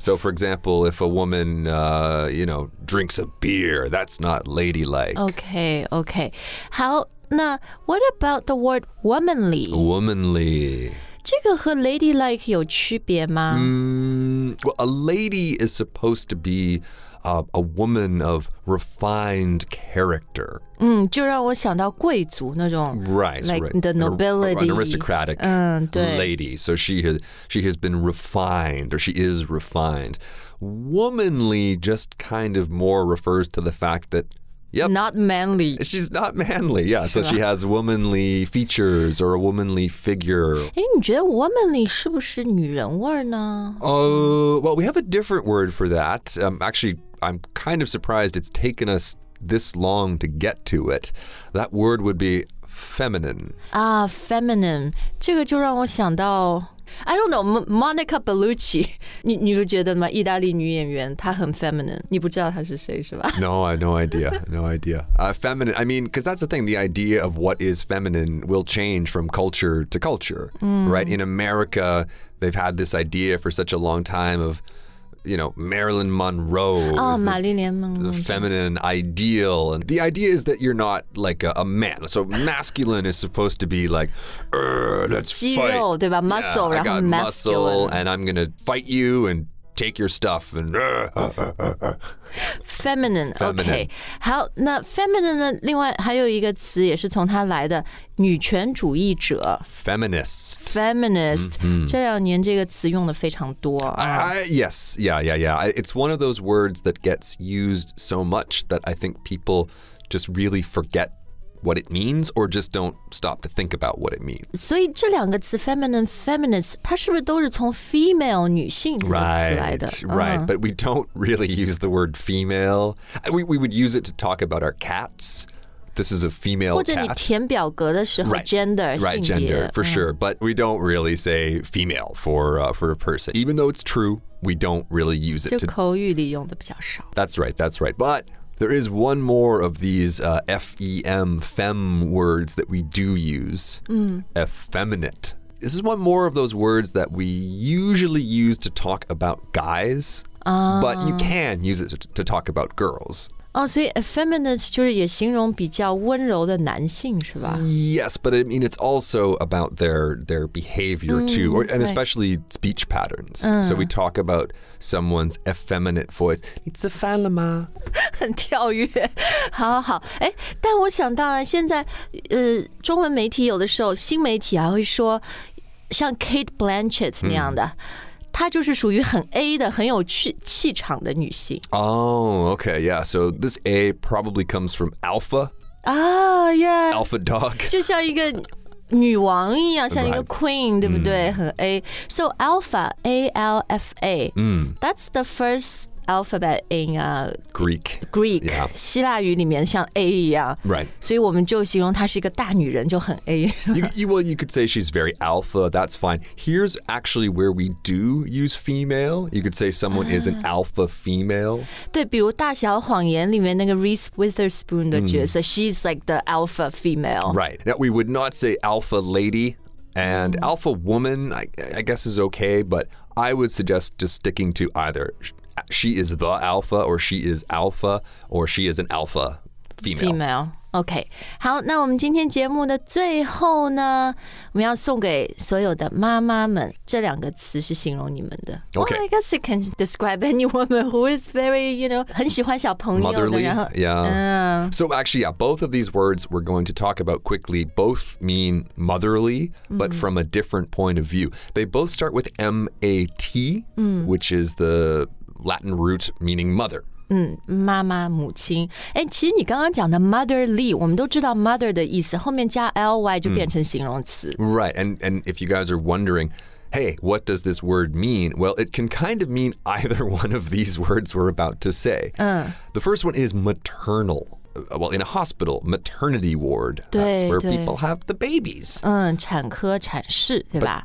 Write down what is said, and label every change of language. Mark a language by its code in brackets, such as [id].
[en] So for example, if a woman, drinks a beer, that's not ladylike. Okay, okay. 好，那 what about the word womanly? Womanly. [zh] 这个和 ladylike 有区别吗? [en] Well, a lady is supposed to be a woman of refined character. [zh] 就让我想到贵族那种 [en] right, like right. the nobility. An aristocratic lady. So she has been refined, or she is refined. Womanly just kind of more refers to the fact that Yep. Not manly. She's not manly, yeah. So she has womanly features or a womanly figure. [zh] 诶，你觉得 womanly 是不是女人味呢？ [en] Well, we have a different word for that. Actually, I'm kind of surprised it's taken us this long to get to it. That word would be feminine. Feminine. [zh] 这个就让我想到 [en] I don't know, [zh] Monica Bellucci. 你不觉得吗？意大利女演员，她很 feminine. 你不知道她是谁是吧 [en] ？No, I have no idea. No idea. Feminine. I mean, because that's the thing. The idea of what is feminine will change from culture to culture, right? In America, they've had this idea for such a long time of, you know, Marilyn Monroe. Oh, Marilyn Monroe. The feminine ideal, and the idea is that you're not like a man. So masculine is supposed to be like, let's fight. [zh] 肌肉对吧 ？Muscle, [en] yeah, [zh] 然后 masculine. [en] Muscle, and I'm gonna fight you and take your stuff and. Feminine, feminine. Okay. [zh] 好，那 feminine 呢？另外还有一个词也是从它来的，女权主义者 [en] ，feminist. Feminist. [zh] 这两年这个词用的非常多。 [en] Yes, yeah, yeah, yeah. It's one of those words that gets used so much that I think people just really forget what it means or just don't stop to think about what it means. [zh] 所以这两个词 feminine, feminist, 它是不是都是从 female, 女性这个词来的 [en] Right, right. But we don't really use the word female. We would use it to talk about our cats. This is a female cat. [zh] 或者你填表格的时候 [en] right, gender, right, [zh] 性别 [en] gender, for sure. But we don't really say female for a person. Even though it's true, we don't really use it. [zh] 就口语里用的比较少 [en] That's right, that's right. But... There is one more of these F-E-M, fem words that we do use. Effeminate. This is one more of those words that we usually use to talk about guys. But you can use it to talk about girls. [zh] So effeminate 就是也形容比较温柔的男性是吧 [en] Yes, but I mean, it's also about their behavior too, or, and especially speech patterns. So we talk about someone's effeminate voice. [zh] 你吃饭了吗很跳跃，好好好，哎，但我想到了现在，中文媒体有的时候新媒体还会说，像 Kate Blanchett 那样的，她就是属于很 A 的，很有气场的女性。 [en] Okay, yeah. So this A probably comes from alpha. Yeah. Alpha dog. [zh] 就像一个女王一样，像一个 queen， 对不对？ [en] 很 A. So alpha, A L F A. That's the first. Alphabet in Greek, yeah. [zh] 希腊语里面像 A 一样 [en] right? [zh] 所以我们就形容她是一个大女人，就很 A. [en] You could say she's very alpha. That's fine. Here's actually where we do use female. You could say someone is an alpha female. [zh] 对，比如《大小谎言》里面那个 Reese Witherspoon 的角色， [en] she's like the alpha female. Right. Now we would not say alpha lady and alpha woman. I guess is okay, but I would suggest just sticking to either. She is the alpha, or she is alpha, or she is an alpha female. Female, okay. [zh] 好，那我们今天节目的最后呢，我们要送给所有的妈妈们这两个词是形容你们的。 [en] Okay. Well, I guess it can describe any woman who is very, you know, [zh] 很喜欢小朋友的。 [en] Motherly, yeah. So actually, yeah, both of these words we're going to talk about quickly both mean motherly, but from a different point of view. They both start with M-A-T, which is the... Latin root meaning mother. [zh] 妈妈母亲。哎，其实你刚刚讲的 motherly， 我们都知道 mother 的意思，后面加 ly 就变成形容词。 [en] Right, and if you guys are wondering, hey, what does this word mean? Well, it can kind of mean either one of these words we're about to say. The first one is maternal. Well, in a hospital, maternity ward. That's where people have the babies. [zh] 产科产室对吧